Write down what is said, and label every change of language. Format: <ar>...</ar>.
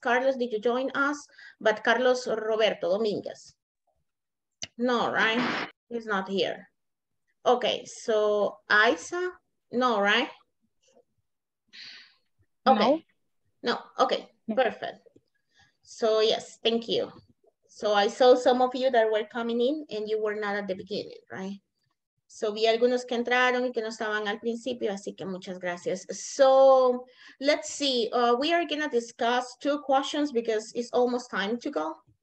<en>Carlos, did you join us? But Carlos Roberto Dominguez. No, right? He's not here. Okay, so Isa? No, right? Okay. No. No. Okay. No. Perfect. So yes, thank you. So I saw some of you that were coming in and you were not at the beginning, right?</en> <es>So vi algunos que entraron y que no estaban al principio, así que muchas gracias.</es> <en>So let's see. We are going to discuss two questions because it's almost time to go.</en>